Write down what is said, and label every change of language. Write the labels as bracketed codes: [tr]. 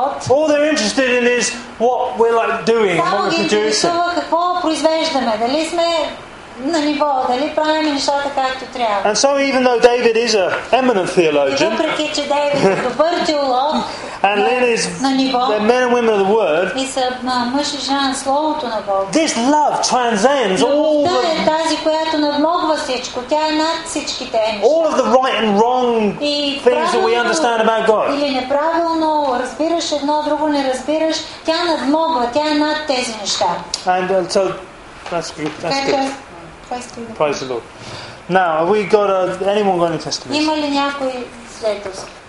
[en] All they're interested in is what we're like doing and what we're producing. [bg] На ниво, дали правим нещата както трябва. [en] And so even though David is a eminent theologian. [bg] Въпреки че Дейвид е добър теолог. [en] And Lynn is the men and women of the word. [bg] И са мъж и жена словото на Бога. [en] This love transcends all the. [bg] Любовта е тази, която надмогва всичко. Тя е над всички тези неща. [en] All of the right and wrong things that we understand about God. [bg] Или неправилно разбираш едно, друго не разбираш. Тя надмогва, тя е над тези неща. [en] And so That's good. That's good. Praise the Lord. Now, have we got anyone got any testimonies? [bg] Ima li някой свидетелство?